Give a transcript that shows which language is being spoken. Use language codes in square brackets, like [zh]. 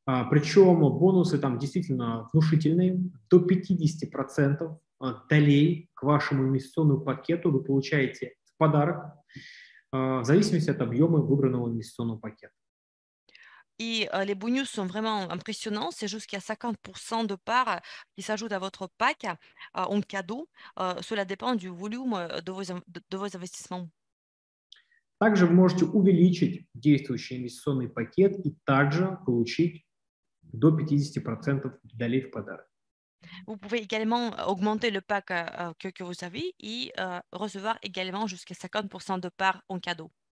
[ru] Причем бонусы там действительно внушительные, до 50% долей к вашему инвестиционному пакету вы получаете в подарок, в зависимости от объема выбранного инвестиционного пакета. [fr] Et les bonus sont vraiment impressionnants. C'est jusqu'à 50% de parts qui s'ajoutent à votre pack en cadeau. Cela dépend du volume de vos investissements. [ru] Также вы можете увеличить действующий инвестиционный пакет и также получить до 50% долей в подарок. [fr] Vous pouvez également augmenter le pack que vous avez et recevoir également jusqu'à 50% de parts en cadeau.